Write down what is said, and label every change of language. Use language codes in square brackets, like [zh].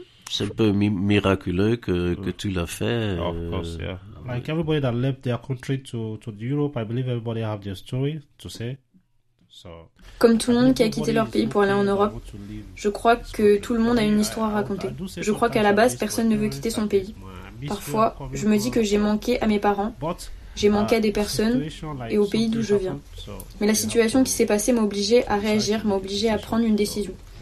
[fr] C'est un peu miraculeux que tu l'as fait. [en] Of course, yeah. Like everybody that left their country to Europe, I believe everybody have their story to say. So, [fr] comme tout le monde qui a quitté leur pays pour aller en Europe, je crois que tout le monde a une histoire à raconter. Je crois qu'à la base, personne ne veut quitter son pays. Parfois, je me dis que j'ai manqué à mes parents, j'ai manqué à des personnes et au pays d'où je viens. Mais la situation qui s'est passée m'a obligé à réagir, m'a obligé à prendre une décision.